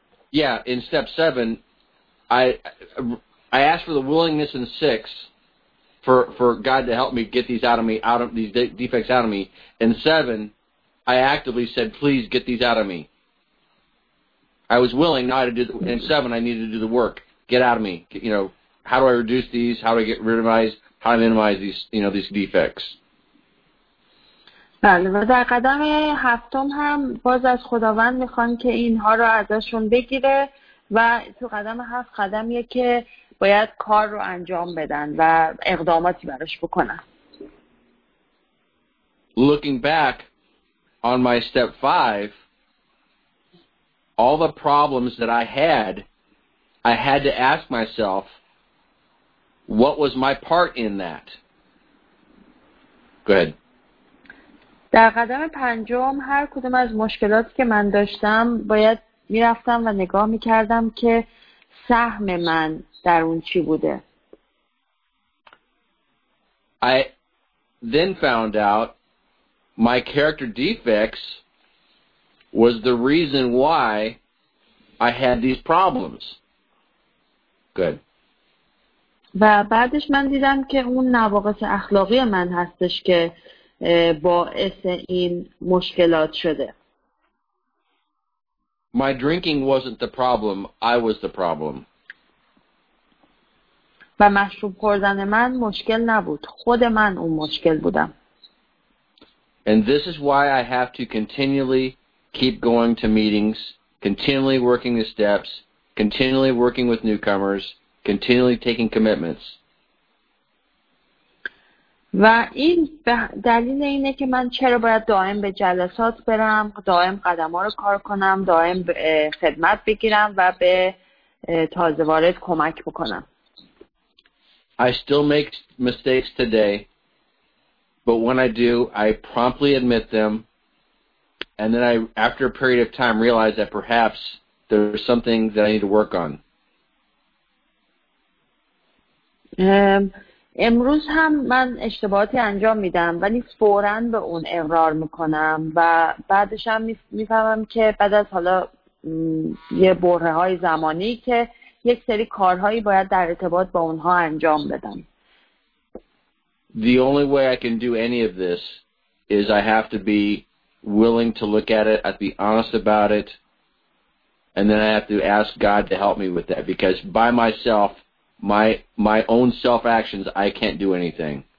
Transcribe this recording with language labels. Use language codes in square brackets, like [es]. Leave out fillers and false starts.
[en] Yeah, in step 7 I asked for the willingness in 6 for God to help me get these defects out of me. In 7 I actively said please get these out of me. I was willing not to do in 7 I needed to do the work. Get out of me, How do I reduce these? How do I get rid of these? How do I minimize these defects? [fa] بله و در قدم 7 هم باز از خداوند میخوان که اینها رو ازشون بگیره و تو قدم 7 قدمیه که باید کار رو انجام بدن و اقداماتی براش بکنن. [en] Looking back on my step 5, all the problems that I had to ask myself, what was my part in that? Go ahead. [fa] در قدم 5 هر کدوم از مشکلاتی که من داشتم باید میرفتم و نگاه میکردم که سهم من در اون چی بوده. [en] I then found out my character defects was the reason why I had these problems. Good. [fa] و بعدش من دیدم که اون نواقص اخلاقی من هستش که باعث این مشکلات شده. [en] My drinking wasn't the problem, I was the problem. [fa] و مشروب خوردن من مشکل نبود. خود من اون مشکل بودم. [en] And this is why I have to continually keep going to meetings, continually working the steps, continually working with newcomers, continually taking commitments. [fa] و این دلیل اینه که من چرا باید دائم به جلسات برم، دائم قدم‌ها رو کار کنم، دائم خدمت بگیرم و به تازه وارد کمک بکنم. [en] I still make mistakes today, but when I do, I promptly admit them, and then I, after a period of time, realize that perhaps there's something that I need to work on. [fa] امروز هم من اشتباهاتی انجام میدم ولی فوراً به اون اقرار میکنم و بعدش هم میفهمم که بعد از حالا یه برهه های زمانی که یک سری کارهایی باید در ارتباط با اونها انجام بدم. [en] The only way I can do any of this is I have to be willing to look at it. I have to be honest about it. And then I have to ask God to help me with that, because by myself, my own self-actions, I can't do anything.